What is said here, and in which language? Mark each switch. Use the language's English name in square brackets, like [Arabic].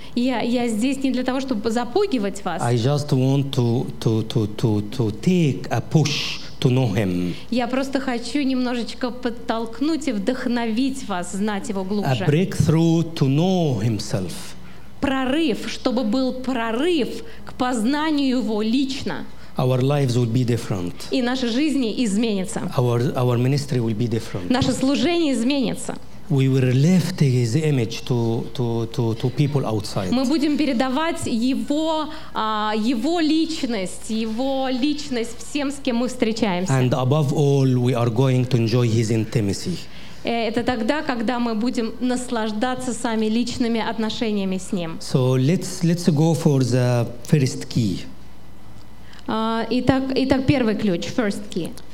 [Russian] Я здесь не для того, чтобы запугивать вас. [English] I just want to take a push to Tunuhem. [Russian] Я просто хочу немножечко подтолкнуть и вдохновить вас знать его глубже. [English] A breakthrough to know himself. [Russian] Прорыв, чтобы был прорыв к познанию его лично. [English] Our lives will be different. [Russian] И наши жизни изменятся. [English] Our ministry will be different. [Russian] Наше служение изменится. [English] We will lift his image to people outside. [Russian] Мы будем передавать его личность, его личность всем, с кем мы встречаемся. [English] And above all, we are going to enjoy his intimacy. [Russian] Это тогда, когда мы будем наслаждаться сами личными отношениями с ним. [English] So let's go for the first key. [Russian] Итак, первый ключ, [English] first key.